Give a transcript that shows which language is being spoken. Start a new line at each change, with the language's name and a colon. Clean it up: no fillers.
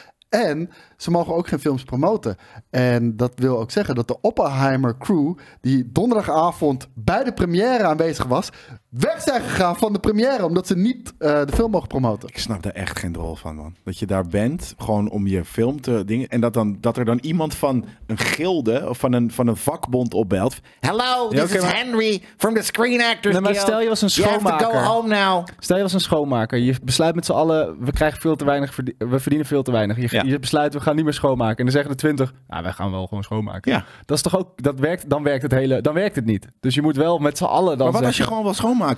Dutch: En ze mogen ook geen films promoten. En dat wil ook zeggen dat de Oppenheimer crew, die donderdagavond bij de première aanwezig was, weg zijn gegaan van de première omdat ze niet de film mogen promoten. Ik snap daar echt geen drol van, man. Dat je daar bent gewoon om je film te dingen. En dat er dan iemand van een gilde of van een vakbond opbelt.
English: Hello, this is Henry from the Screen Actors Guild.
Dutch: Maar stel je was een schoonmaker.
English: You have to go home now.
Dutch: Stel je was een schoonmaker. Je besluit met z'n allen, we verdienen veel te weinig. Je besluit, we gaan niet meer schoonmaken. En dan zeggen de 20, nou, wij gaan wel gewoon schoonmaken. Ja. Dat is toch ook, dat werkt, dan werkt het niet. Dus je moet wel met z'n allen dan. Maar wat zeggen, als je gewoon wil schoonmaken?